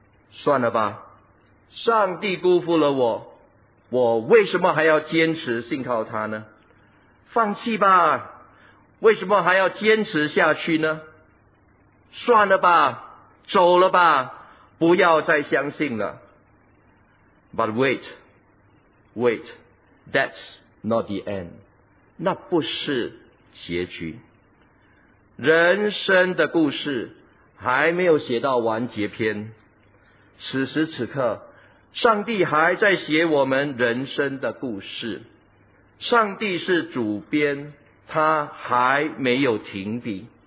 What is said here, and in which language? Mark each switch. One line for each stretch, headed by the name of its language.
Chinese: 算了吧，上帝辜负了我，我为什么还要坚持信靠他呢？放弃吧，为什么还要坚持下去呢？算了吧，走了吧，不要再相信了。
English: But wait, wait, that's not the end.
Chinese: 那不是结局。人生的故事还没有写到完结篇，此时此刻上帝还在写我们人生的故事，上帝是主编，他还没有停笔。